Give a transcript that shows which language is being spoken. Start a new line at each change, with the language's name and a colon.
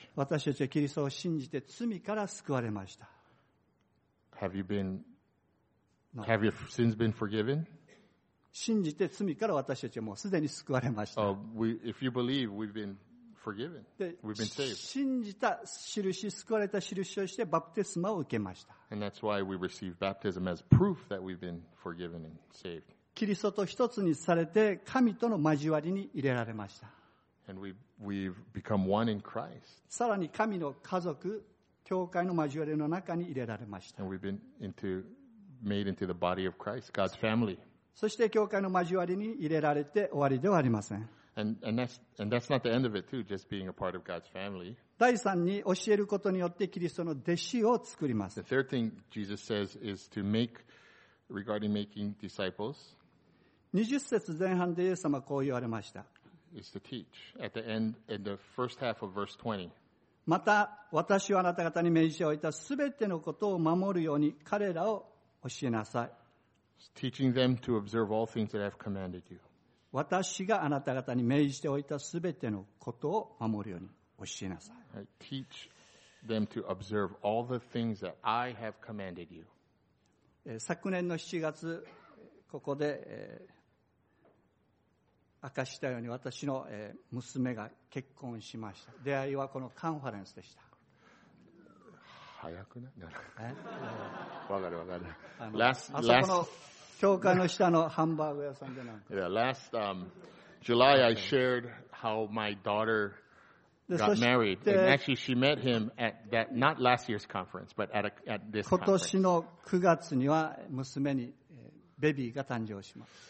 Japanese: 私たちはキリストを信じて罪から救われました。
English: Have your sins been forgiven?
Japanese: 信じて罪から私たちはもうすでに救われました。
English: If you believe, we've been forgiven. We've been saved.
Japanese: 信じた印、救われた印をしてバプテスマを受けました。
English: And that's why we receive baptism as proof that we've been forgiven and saved.
Japanese: キリストと一つにされて神との交わりに入れられました。
English: And we've become one in Christ.
Japanese: さらに神の家族、教会の交わりの中に入れられました。
English: And we've been made into the body of Christ, God's family.
Japanese: そして教会の交わりに入れられて終わりではありません。
English: And that's not the end of it too, just being a part of God's family.
Japanese: 第三に教えることによってキリストの弟子を作ります。
English: The third thing Jesus says is to make, regarding making disciples.
Japanese: 20節前半でイエス様はこう言われました。
English: Is to teach at the end in the first half of verse 20.
Japanese: また私はあなた方に命じておいたすべてのことを守るように彼らを教えなさい。
English: Teaching them to observe all things that I have commanded you.
Japanese: 私があなた方に命じておいたすべてのことを守るように教えなさい。
English: Right. Teach them to observe all the things that I have commanded you.
Japanese: 昨年の7月ここで。明かしたように私の娘が結婚しました。出会いはこのカンファレンスでした。早くね。わかる。あそこの教会の下のハンバーグ屋さんでなんか。
English: Yeah, last July I shared how my daughter got married. And actually she met him at that, not last year's conference, but at this conference.
Japanese: 今年の9月には娘にベビーが誕生します。